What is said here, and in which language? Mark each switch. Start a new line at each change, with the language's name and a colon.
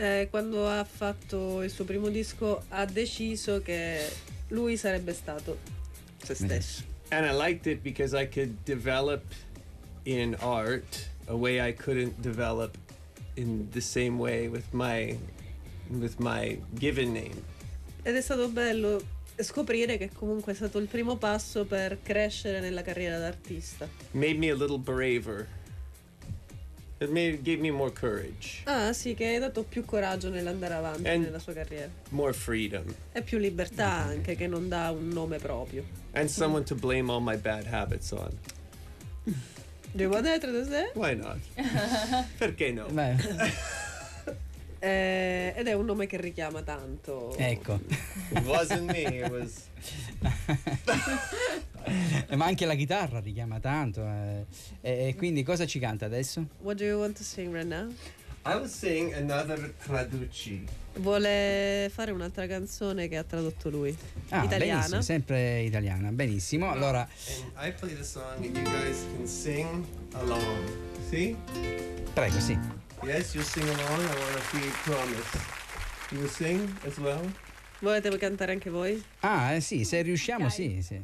Italian: Quando ha fatto il suo primo disco ha deciso che lui sarebbe stato se stesso.
English: And I liked it because I could develop in art a way I couldn't develop in the same way with my given name.
Italian: Ed è stato bello scoprire che comunque è stato il primo passo per crescere nella carriera d'artista.
English: Made me a little braver. It made, gave me more courage.
Italian: Ah, sì, che hai dato più coraggio nell'andare avanti
English: and
Italian: nella sua carriera.
English: More freedom.
Italian: E più libertà, okay, anche, che non dà un nome proprio.
English: And someone to blame all my bad habits on. Do you want that to say? Why not?
Italian: Perché no? ed è un nome che richiama tanto. Ecco.
English: It wasn't me, it was...
Italian: Ma anche la chitarra richiama tanto. E quindi cosa ci canta adesso?
English: What do you want to sing right now? I will sing another traduci.
Italian: Vuole fare un'altra canzone che ha tradotto lui. Ah, italiana. Benissimo, sempre italiana. Benissimo, allora.
English: And I play the song and you guys can sing along.
Italian: Sì? Prego, sì.
English: Yes, you sing along. I want to keep promise. You sing as well?
Italian: Volete cantare anche voi? Ah, sì, se riusciamo, okay. Sì, sì.